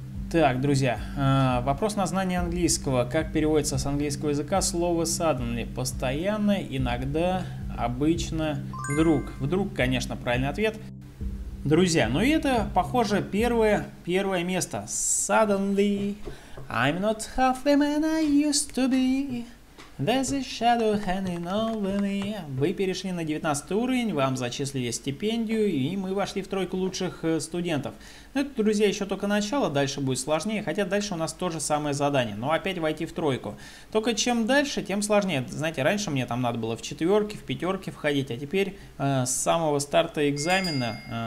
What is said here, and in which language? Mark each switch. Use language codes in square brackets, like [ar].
[ru] Так, друзья, вопрос на знание английского. Как переводится с английского языка слово suddenly? Постоянно, иногда, обычно, вдруг. Вдруг, конечно, правильный ответ. Друзья, ну и это, похоже, первое место. [en] Suddenly, I'm not half the man I used to be. There's a shadow hanging over me. [ru] Вы перешли на 19 уровень, вам зачислили стипендию, и мы вошли в тройку лучших студентов. Это, друзья, еще только начало, дальше будет сложнее, хотя дальше у нас то же самое задание, но опять войти в тройку. Только чем дальше, тем сложнее. Знаете, раньше мне там надо было в четверке, в пятерке входить, а теперь с самого старта экзамена...